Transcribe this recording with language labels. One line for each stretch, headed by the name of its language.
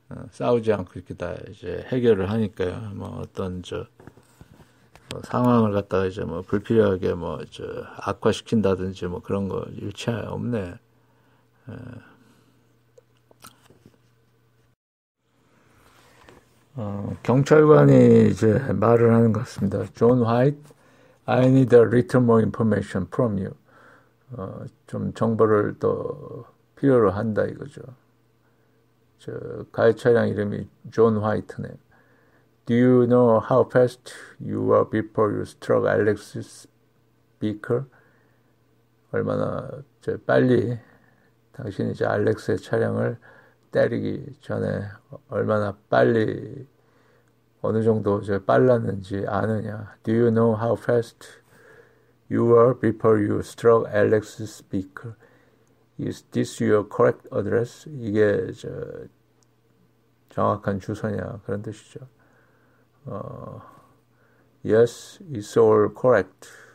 Korean: 싸우지 않고 이렇게 다 이제 해결을 하니까요. 뭐 어떤 상황을 갖다가 이제 뭐 불필요하게 뭐저 악화시킨다든지 뭐 그런 거 일체 없네. 경찰관이 이제 말을 하는 것 같습니다.
English: John White, I need a little more information from you.
Korean: 좀 정보를 또 필요로 한다 이거죠. 가해 차량 이름이 존 화이트네.
English: Do you know how fast you were before you struck Alexis Baker?
Korean: 얼마나 빨리 당신이 이제 알렉스의 차량을 때리기 전에 얼마나 빨리 어느 정도 빨랐는지 아느냐?
English: Do you know how fast you were before you struck Alexis Baker? Is this your correct address?
Korean: 이게 정확한 주소냐? 그런 뜻이죠.
English: Yes, it's all correct.